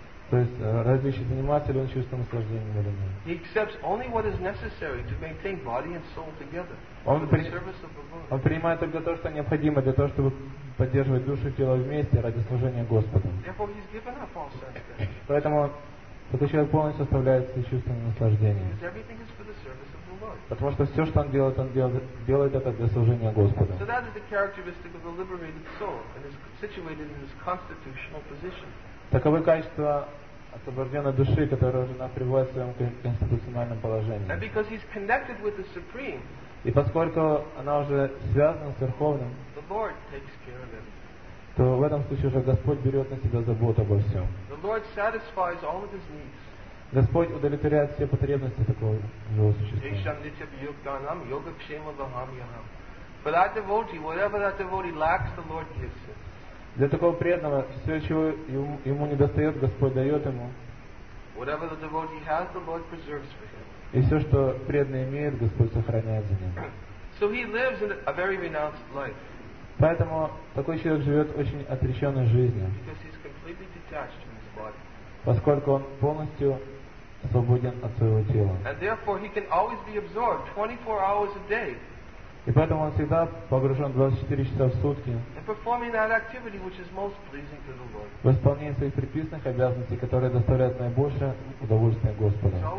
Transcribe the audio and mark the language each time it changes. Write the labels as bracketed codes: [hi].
[ru] То есть различие, занимается ли он чувством наслаждения или нет. [en] He accepts only what is necessary to maintain body and soul together. [ru] Он принимает только то, что необходимо для того, чтобы поддерживать душу и тело вместе ради служения Господу. [en] Therefore he's given up all sense gratification. [ru] Поэтому этот человек полностью оставляет все чувства наслаждения. [en] Because everything is for the service of the Lord. [ru] Потому что все, что он делает это для служения Господу. [en] So that is the characteristic of the liberated soul and is situated in his constitutional position. [ru] Таковы качества освобожденной души, которая уже пребывает в своем конституциональном положении. [en] And because he's connected with the Supreme, [ru] и поскольку она уже связана с Верховным, [en] the Lord takes care of him. [ru] То в этом случае уже Господь берет на себя заботу обо всем. [en] The Lord satisfies all of his needs. [ru] Господь удовлетворяет все потребности такого живого существа. [en] For that devotee, whatever that devotee lacks, the Lord gives him. [ru] Для такого преданного все, чего ему не достает, Господь дает ему. [en] Whatever the devotee has, the Lord preserves for him. [ru] И все, что преданный имеет, Господь сохраняет за ним. [en] So he lives in a very renounced life. [ru] Поэтому такой человек живет очень отреченной жизнью. [en] Because he's completely detached from his body. [ru] Поскольку он полностью свободен от своего тела. [en] And therefore he can always be absorbed 24 hours a day. [ru] И поэтому он всегда погружен 24 часа в сутки в исполнении своих предписанных обязанностей, которые доставляют наибольшее удовольствие Господу.